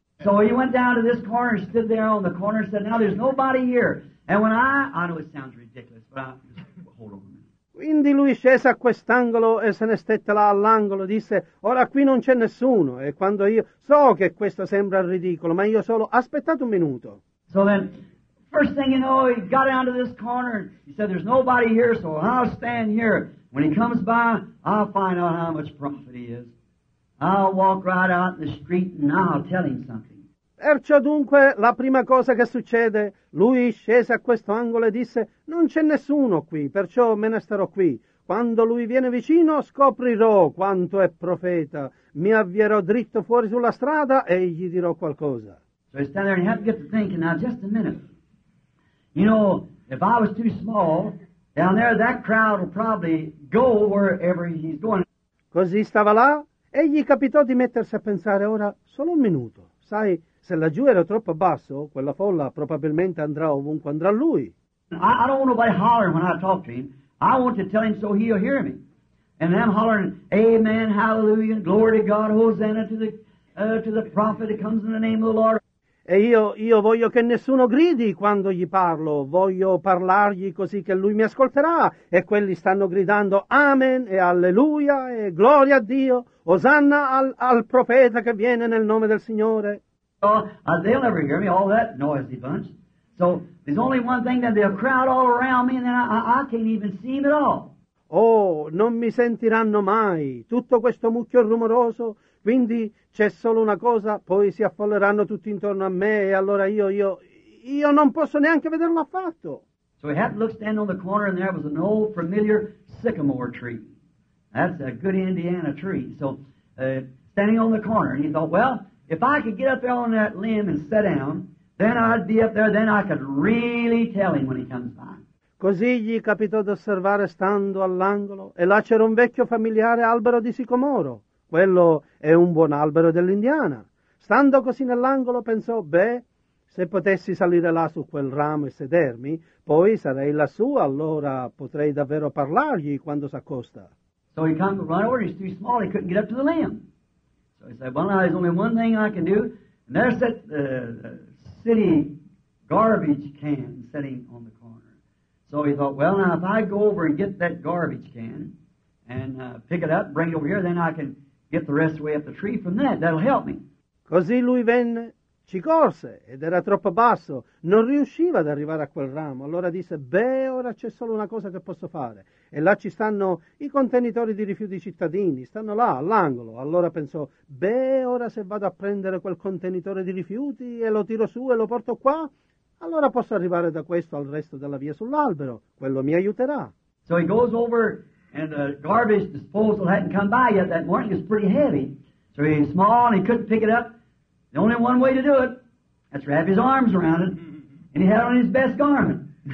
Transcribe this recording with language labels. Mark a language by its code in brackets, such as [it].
[en] So he went down to this corner, stood there on the corner, said, now there's nobody here. And when I know it sounds ridiculous, but I'm just, hold on a minute. [it] Quindi lui scese a quest'angolo e se ne stette là all'angolo, disse, ora qui non c'è nessuno. E quando io, so che questo sembra ridicolo, ma io solo, aspettate un minuto. [en] So then, first thing you know, he got down to this corner, he said, there's nobody here, so I'll stand here. When he comes by, I'll find out how much profit he is. I'll walk right out in the street and I'll tell him something. [it] Perciò dunque la prima cosa che succede, lui scese a questo angolo e disse, non c'è nessuno qui, perciò me ne starò qui. Quando lui viene vicino scoprirò quanto è profeta. Mi avvierò dritto fuori sulla strada e gli dirò qualcosa. [en] So he's standing there and you have to get to thinking, now just a minute. You know, if I was too small, down there that crowd will probably go wherever he's going. [it] Così stava là? Egli capitò di mettersi a pensare, ora, solo un minuto, sai, se laggiù era troppo basso, quella folla probabilmente andrà ovunque andrà lui. [en] I don't want nobody hollering when I talk to him. I want to tell him so he'll hear me. And I'm hollering, Amen, Hallelujah, Glory to God, Hosanna to the prophet that comes in the name of the Lord. [it] E io voglio che nessuno gridi quando gli parlo, voglio parlargli così che lui mi ascolterà, e quelli stanno gridando Amen e Alleluia e Gloria a Dio, Osanna al profeta che viene nel nome del Signore. [en] They'll never hear me, all that noisy bunch. So there's only one thing, that they'll crowd all around me and then I can't even see them at all. [it] Oh, non mi sentiranno mai, tutto questo mucchio rumoroso, quindi c'è solo una cosa, poi si affolleranno tutti intorno a me e allora io non posso neanche vederlo affatto. [en] So he happened to look standing on the corner and there was an old familiar sycamore tree. That's a good Indiana tree. So standing on the corner and he thought, well, if I could get up there on that limb and sit down, then I'd be up there, then I could really tell him when he comes by. [it] Così gli capitò di osservare stando all'angolo e là c'era un vecchio familiare albero di sicomoro. Quello è un buon albero dell'Indiana. Stando così nell'angolo pensò, beh, se potessi salire là su quel ramo e sedermi, poi sarei lassù, allora potrei davvero parlargli quando s'accosta. [en] So he came right over, he's too small, he couldn't get up to the limb. So he said, well, now there's only one thing I can do, and there's that city garbage can sitting on the corner. So he thought, well, now if I go over and get that garbage can and pick it up, bring it over here, then I can get the rest of the way up the tree from that. That'll help me. [it] Così lui venne, ci corse, ed era troppo basso. Non riusciva ad arrivare a quel ramo. Allora disse, beh, ora c'è solo una cosa che posso fare. E là ci stanno i contenitori di rifiuti cittadini. Stanno là, all'angolo. Allora pensò, beh, ora se vado a prendere quel contenitore di rifiuti e lo tiro su e lo porto qua, allora posso arrivare da questo al resto della via sull'albero. Quello mi aiuterà. [en] So he goes over, and the garbage disposal hadn't come by yet that morning. It was pretty heavy. So he was small and he couldn't pick it up. The only one way to do it, that's wrap his arms around it. And he had on his best garment.